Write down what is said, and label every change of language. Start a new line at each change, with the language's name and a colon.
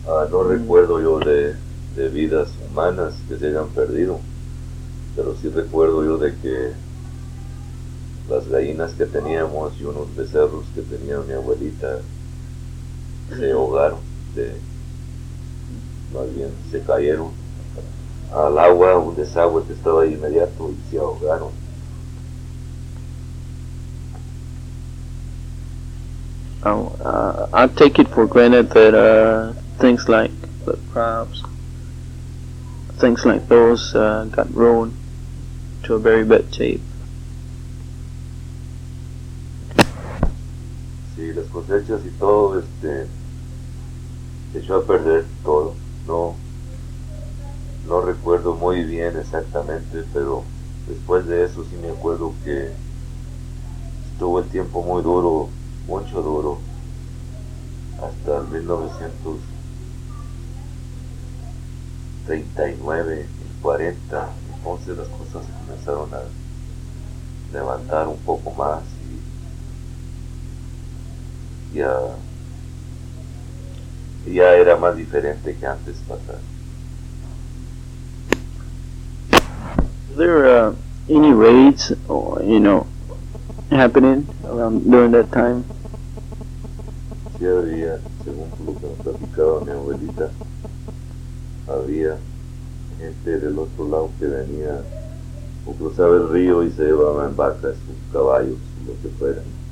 Spanish: No recuerdo yo de vidas humanas que se hayan perdido, pero sí recuerdo yo de que las gallinas que teníamos y unos becerros que tenía mi abuelita se ahogaron, más bien se cayeron al agua, un desagüe que estaba ahí inmediato, y se ahogaron.
English: I take it for granted that things like the crops, things like those got ruined to a very bad shape.
Spanish: Sí, las cosechas y todo, se echó a perder todo. No recuerdo muy bien exactamente, pero después de eso sí me acuerdo que estuvo el tiempo muy duro, mucho duro, hasta el 1939 y 40. Entonces las cosas comenzaron a levantar un poco más y ya era más diferente que antes pasar.
English: Is there any raids or, you know, happening around during that time?
Spanish: Sí, había, según lo que nos platicaba mi abuelita, había gente del otro lado que venía o cruzaba el río y se llevaba en vacas, sus caballos, lo que fuera.